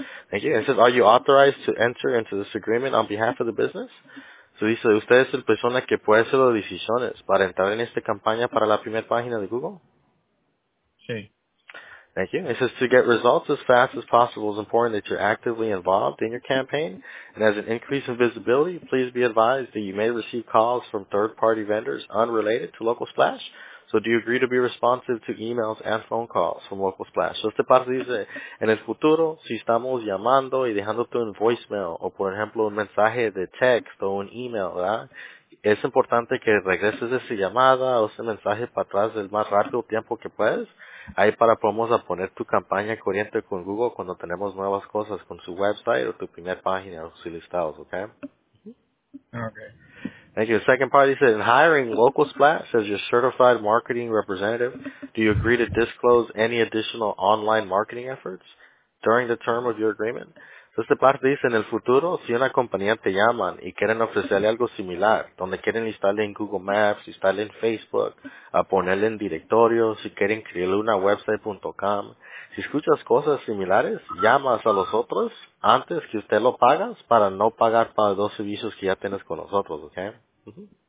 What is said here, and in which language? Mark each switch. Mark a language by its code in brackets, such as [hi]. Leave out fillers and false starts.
[en] Thank you. It says, are you authorized to enter into this agreement on behalf of the business? So he said, [es] ¿usted es la persona que puede hacer las decisiones para entrar en esta campaña para la primera página de Google? Sí. [en] Thank you. It says, to get results as fast as possible, it's important that you're actively involved in your campaign. And as an increase in visibility, please be advised that you may receive calls from third-party vendors unrelated to Local Splash. So do you agree to be responsive to emails and phone calls from Local Splash? [es] So este parte dice, en el futuro, si estamos llamando y dejándote un voicemail o, por ejemplo, un mensaje de text o un email, ¿verdad? Es importante que regreses esa llamada o ese mensaje para atrás el más rápido tiempo que puedes. Ahí para podemos a poner tu campaña corriente con Google cuando tenemos nuevas cosas con su website o tu primera página o sus listados, ¿ok? Ok. [en] Thank you. The second part, he said, in hiring Local Splash as your certified marketing representative, do you agree to disclose any additional online marketing efforts during the term of your agreement? [es] So, esta parte dice, en el futuro, si una compañía te llaman y quieren ofrecerle algo similar, donde quieren instalarle en Google Maps, instalarle en Facebook, a ponerle en directorio, si quieren crearle una website.com, si escuchas cosas similares, llamas a los otros antes que usted lo pagas para no pagar para los dos servicios que ya tienes con nosotros, ¿ok?